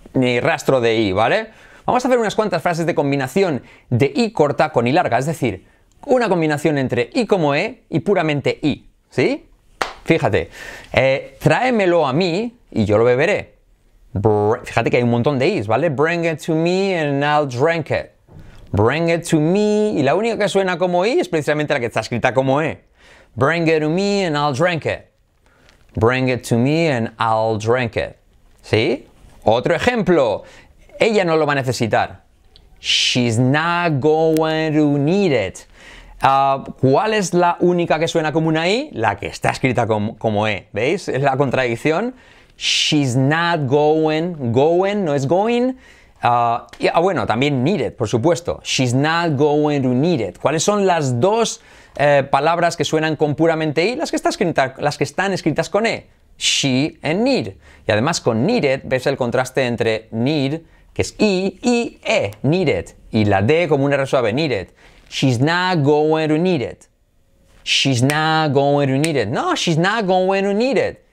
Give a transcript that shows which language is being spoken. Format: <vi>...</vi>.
<es>Ni rastro de I, ¿vale? Vamos a ver unas cuantas frases de combinación de I corta con I larga, es decir, una combinación entre I como E y puramente I, ¿sí? Fíjate, tráemelo a mí y yo lo beberé. Fíjate que hay un montón de I's, ¿vale?</es> <en>Bring it to me</en> <es>and I'll drink it. Bring it to me, y la única que suena como I es precisamente la que está escrita como E.</es> <en>Bring it to me and I'll drink it. Bring it to me and I'll drink it.</en> <es>¿Sí? Otro ejemplo. Ella no lo va a necesitar.</es> <en>She's not going to need it.</en> <es>¿Cuál es la única que suena como una I? La que está escrita como E. ¿Veis? Es la contradicción.</es> <en>She's not going,</en> <es>no es</es> <en>going.</en> <es>Bueno, también</es> <en>need it,</en> <es>por supuesto.</es> <en>She's not going to need it.</en> <es>¿Cuáles son las dos palabras que suenan con puramente I? Las que están escritas con E.</es> <en>she and need.</en> <es>Y además con needed ves el contraste entre need, que es I, y E, needed. Y la D como una R suave, needed.</es> <en>She's not going to need it. She's not going to need it. No, she's not going to need it.</en>